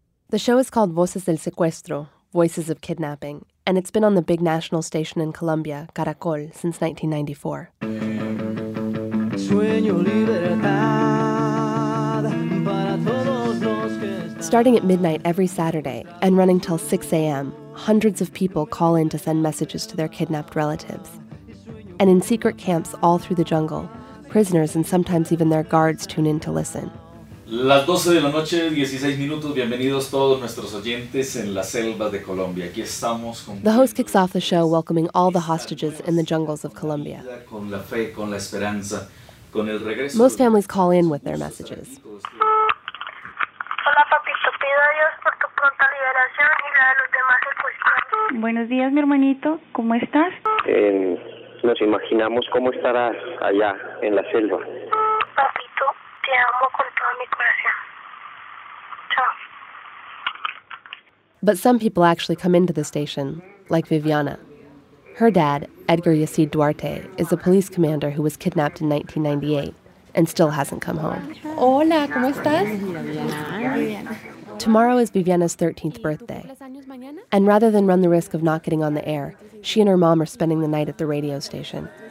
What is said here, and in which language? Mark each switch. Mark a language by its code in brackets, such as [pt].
[en] The show is called [es] Voces del Secuestro, [en] Voices of Kidnapping, and it's been on the big national station in Colombia, Caracol, since 1994. Starting at midnight every Saturday and running till 6 a.m., hundreds of people call in to send messages to their kidnapped relatives. And in secret camps all through the jungle, prisoners and sometimes even their guards tune in to listen. [es] Las 12 de la noche, 16 minutos. Bienvenidos todos nuestros oyentes en la selva de Colombia. Aquí estamos con... [en] The host kicks off the show welcoming all the hostages in the jungles of Colombia. [es] Con la fe, con la esperanza, con el regreso. [en] Most families call in with their messages. [es] Hola, papito. Pido a Dios por tu pronta liberación y la de los demás secuestrados. Buenos días, mi hermanito. ¿Cómo estás? Nos imaginamos cómo estarás allá en la selva. Papito, te amo con todo mi corazón. Chao. [en] But some people actually come into the station, like Viviana. Her dad, Edgar Yacid Duarte, is a police commander who was kidnapped in 1998 and still hasn't come home. [es] Hola, ¿cómo estás? [en] Tomorrow is Viviana's 13th birthday. And rather than run the risk of not getting on the air, she and her mom are spending the night at the radio station.